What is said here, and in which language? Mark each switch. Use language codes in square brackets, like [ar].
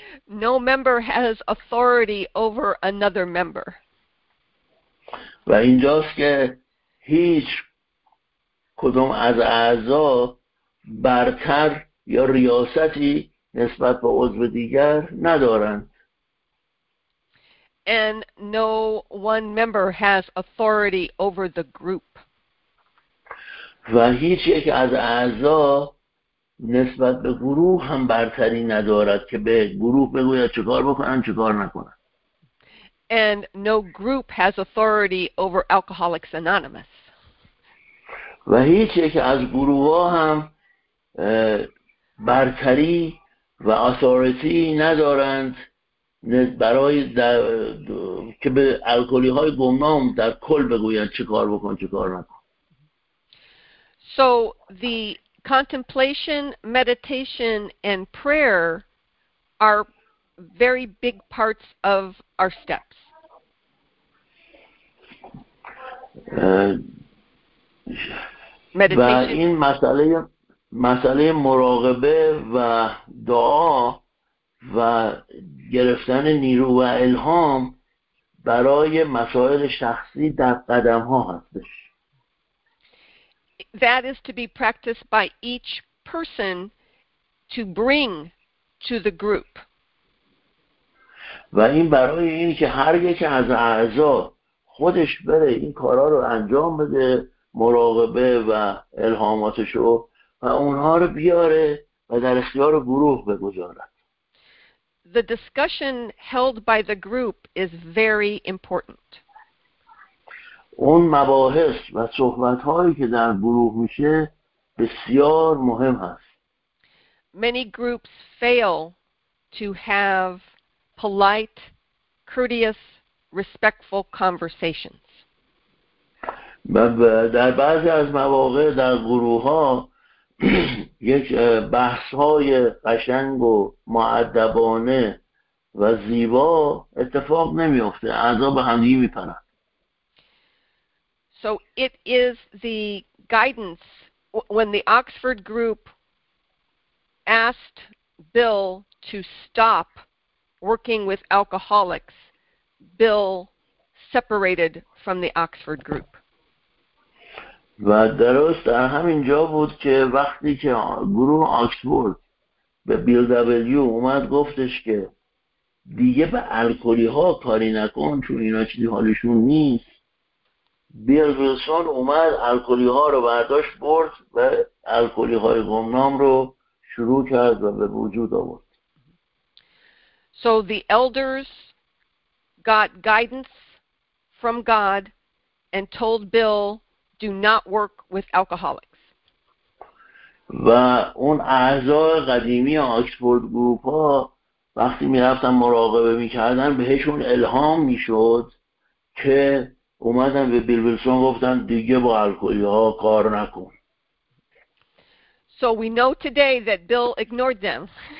[en] No member has authority over another member. [fa] و اینجاست که هیچ کدوم از اعضا برتر یا ریاستی نسبت به عضو دیگر ندارند. [en] and no one member has authority over the group. [fa] و هیچ یک از اعضا نسبت به گروه هم برتری ندارد که به گروه بگوید چه کار بکنن چه کار نکنن. [en] And no group has authority over Alcoholics Anonymous. [fa] و هیچ یک از گروه ها هم برتری و authority ندارند برای که به الکلی های گمنام در کل بگویند چه کار بکن چه کار نکن. [en] So the contemplation, meditation, and prayer are very big parts of our steps. Meditation. [fa] و این مسئله مراقبه و دعا و گرفتن نیرو و الهام برای مسائل شخصی در قدم ها هستش. [en] That is to be practiced by each person to bring to the group. [fa] و این برای این که هر یک از اعضا خودش بره این کارا رو انجام بده مراقبه و الهاماتش رو و اونها رو بیاره و در اختیار گروه بگذاره. [en] The discussion held by the group is very important. [fa] اون مباحث و صحبت‌هایی که در گروه میشه بسیار مهم هست. [en] Many groups fail to have polite, courteous, respectful conversations. [fa] در بعضی از مواقع در گروه‌ها یک بحث‌های قشنگ و مؤدبانه و زیبا اتفاق نمی‌افته. اعضا به هم دیگه می‌پرن. [en] So it is the guidance when the Oxford group asked Bill to stop working with alcoholics, Bill separated from the Oxford group. [fa] و درست در همین جا بود که وقتی که گروه آکسفورد به بیل دبلیو اومد گفتش که دیگه به الکلی ها کاری نکن چون اینا چیزی حالشون نیست. بیل ویلسون اومد الکلی ها رو برداشت برد و الکلی های گمنام رو شروع کرد و به وجود آورد. [en] So the elders got guidance from God and told Bill, do not work with alcoholics. [fa] و اون اعضای قدیمی آکسفورد گروپ ها وقتی می رفتن مراقبه می کردن بهشون الهام می شد که اومدن به بیل ویلسون گفتن دیگه با الکلی ها کار نکن. [en] So we know today that Bill ignored them.